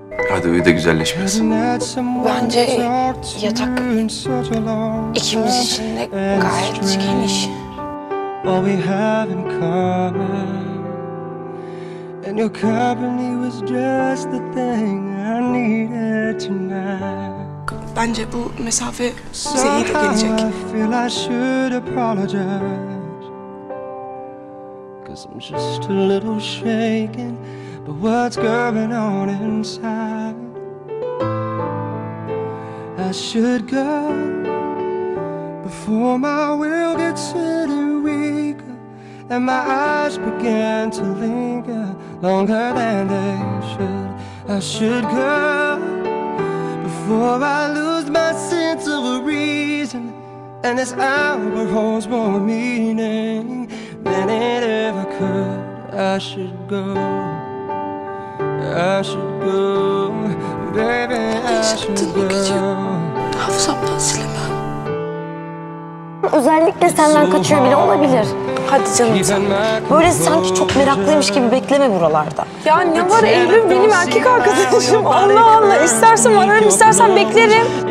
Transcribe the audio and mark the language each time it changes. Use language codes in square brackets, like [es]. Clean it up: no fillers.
[tr] Hadi uyu da güzelleşmesin. Bence yatak ikimiz için de gayet geniş. [en] All we have in common. And your company was just the thing I needed tonight. [tr] Bence bu mesafe bize iyi de gelecek. [en] I feel I should apologize. 'Cause I'm just a little shaken. But what's going on inside? I should go before my will gets any weaker and my eyes begin to linger longer than they should. I should go before I lose my sense of a reason and this hour holds more meaning than it ever could. I should go. I should go, baby, I should go. [tr] Hafızamdan silemem. Özellikle senden kaçıyor bile olabilir. Hadi canım sen. Böyle sanki çok meraklıymış gibi bekleme buralarda. Ya ne var Evrim, benim erkek arkadaşım. Allah Allah, istersen ararım, istersen beklerim.